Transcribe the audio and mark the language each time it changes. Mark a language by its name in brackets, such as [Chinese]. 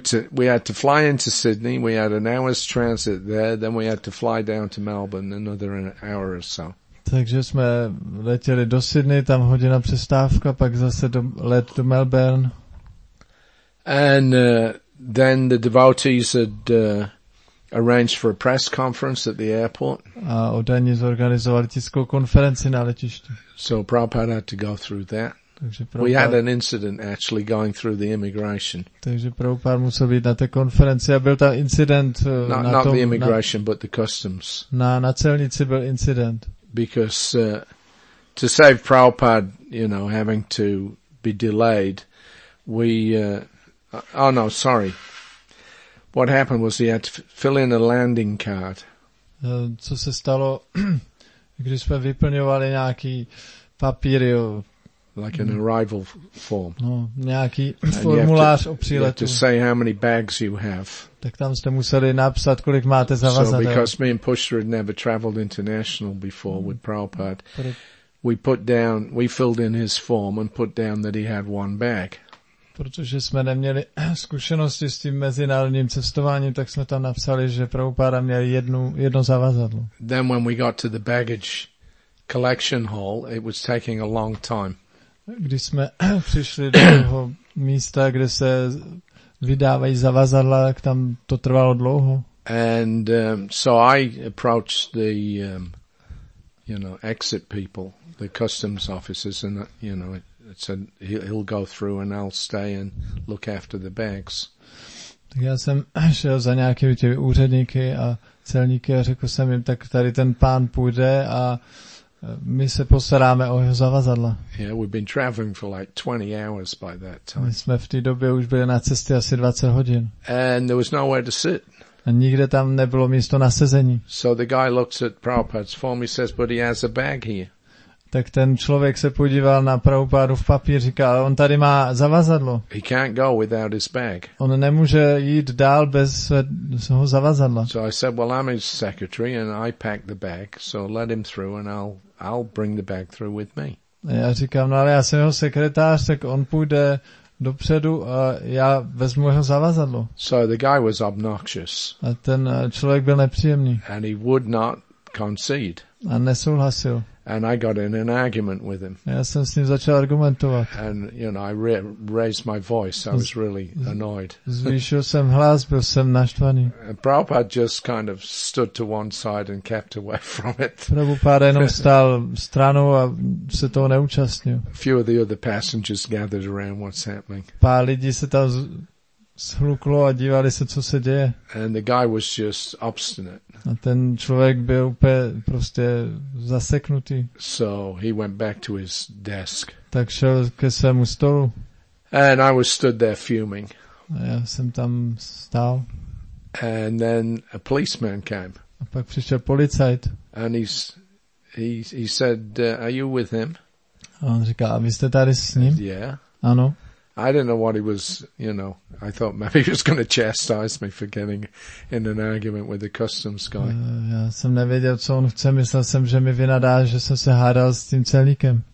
[English] But we had to fly into Sydney, we had an hour's transit there, then we had to fly down to Melbourne, another an hour or so. [Czech] Takže jsme letěli do Sydney, tam hodina přestávka, pak zase let do Melbourne. [English] And then the devotees had arranged for a press conference at the airport. [Czech] A oddaní zorganizovali tiskovou konferenci na letišti. [English] So Prabhupada had to go through that. [Czech] Takže [English] we had an incident actually going through the immigration. [Czech] Takže Prabhupada musel být na té konferenci a byl tam incident [English] the immigration, but the customs. [Czech] Na celnici byl incident. [English] Because to save Prabhupada, you know, having to be delayed, what happened was he had to fill in a landing card. [Czech] Co se stalo, když jsme vyplňovali nějaký papír, jo. [English] Like an arrival form. [Czech] No, nějaký formulář o příletu. [English] You have to say how many bags you have. [Czech] Tak tam jste museli napsat, kolik máte zavazadel. [English] So because me and Pushra had never traveled international before with Prabhupada, we filled in his form and put down that he had one bag. [Czech] Protože jsme neměli zkušenosti s tím mezinárodním cestováním, tak jsme tam napsali, že Prabhupada měl jedno zavazadlo. [English] Then when we got to the baggage collection hall, it was taking a long time. [Czech] Když jsme přišli do toho místa, kde se vydávají zavazadla, tak tam to trvalo dlouho. [English] And so I approached the exit people, the customs officers, and you know, it said he'll go through and I'll stay and look after the bags. [Czech] Tak já jsem šel za nějakými těmi úředníky a celníky a řekl jsem jim, tak tady ten pán půjde a my se postaráme o jeho zavazadla. [English] Yeah, we've been traveling for like 20 hours by that time. [Czech] My jsme v té době už byli na cestě asi 20 hodin. [English] And there was nowhere to sit. [Czech] A nikde tam nebylo místo na sezení. [English] So the guy looks at Prabhupada's form, he says, but he has a bag here. [Czech] Tak ten člověk se podíval na Prabhupádu v papír, říká, ale on tady má zavazadlo. [English] He can't go without his bag. [Czech] On nemůže jít dál bez svého zavazadla. [English] So I said, well, I'm his secretary and I pack the bag, so let him through and I'll bring the bag through with me. [Czech] A já říkám, no ale já jsem jeho sekretář, tak on půjde dopředu a já vezmu jeho zavazadlo. [English] So the guy was obnoxious. [Czech] A ten člověk byl nepříjemný. [English] And he would not concede. [Czech] A nesouhlasil. [English] And I got in an argument with him. [Czech] Já jsem s ním začal argumentovat. [English] And you know, I raised my voice. I was really annoyed. [Czech] Zvýšil jsem hlas, byl jsem naštvaný. [English] And Prabhupada just kind of stood to one side and kept away from it. [Czech] Prabhupada jenom stál stranou a se toho neúčastnil. [English] A few of the other passengers gathered around what's happening. [Czech] Pár lidí se tam shluklo a dívali se, co se děje. [English] And the guy was just obstinate. [Czech] A ten člověk byl úplně prostě zaseknutý. [English] So he went back to his desk. [Czech] Tak šel ke svému stolu. [English] And I was stood there fuming. [Czech] Já jsem tam stál. [English] And then a policeman came. [Czech] A pak přišel policajt. [English] And he said, are you with him? [Czech] A on říká, a vy jste tady s ním? [English] Yeah. [Czech] Ano. [English] I didn't know what he was, you know, I thought maybe he was going to chastise me for getting in an argument with the customs guy. [Czech] Já jsem nevěděl, co on chce, myslel jsem, že mi vynadá, že jsem se hádal s tím celníkem.